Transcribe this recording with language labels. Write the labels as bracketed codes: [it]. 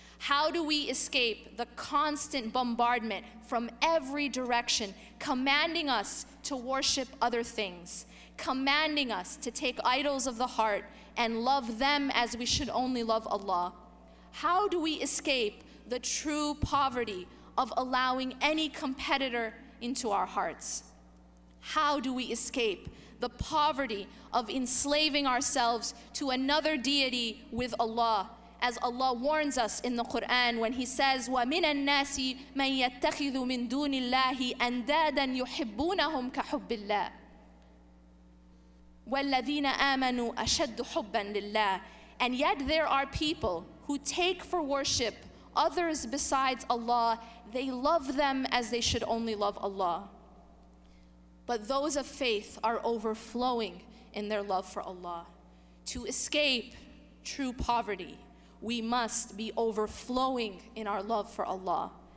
[en] How do we escape the constant bombardment from every direction, commanding us to worship other things, commanding us to take idols of the heart and love them as we should only love Allah? How do we escape the true poverty of allowing any competitor into our hearts? How do we escape the poverty of enslaving ourselves to another deity with Allah? As Allah warns us in the Quran when he says, [ar] وَمِنَ النَّاسِ مَن يَتَّخِذُ مِن دُونِ اللَّهِ أَنْدَادًا يُحِبُّونَهُمْ كَحُبِّ اللَّهِ وَالَّذِينَ آمَنُوا أَشَدُّ حُبًّا لِلَّهِ. [en] And yet there are people who take for worship others besides Allah. They love them as they should only love Allah. But those of faith are overflowing in their love for Allah. To escape true poverty, we must be overflowing in our love for Allah.